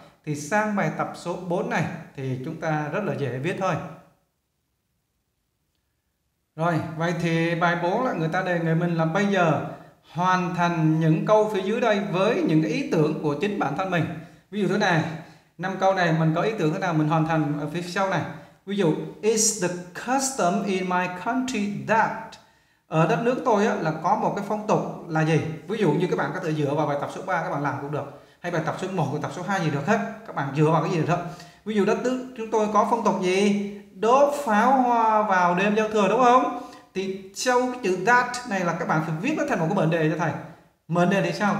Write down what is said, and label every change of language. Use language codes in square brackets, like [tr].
[vi] Thì sang bài tập số 4 này thì chúng ta rất là dễ viết thôi. Rồi, vậy thì bài 4 là người ta đề nghị mình là bây giờ hoàn thành những câu phía dưới đây với những ý tưởng của chính bản thân mình. Ví dụ thế này, 5 câu này mình có ý tưởng thế nào mình hoàn thành ở phía sau này. [en] Ví dụ, is the custom in my country that? [vi] Ở đất nước tôi á, là có một cái phong tục là gì? Ví dụ như các bạn có thể dựa vào bài tập số 3 các bạn làm cũng được. Hay bài tập số 1, bài tập số 2 gì được hết. Các bạn dựa vào cái gì được hết. Ví dụ đất nước chúng tôi có phong tục gì? Đốt pháo hoa vào đêm giao thừa đúng không? Thì sau cái chữ that này là các bạn phải viết nó thành một cái mệnh đề cho thầy. Mệnh đề thì sao?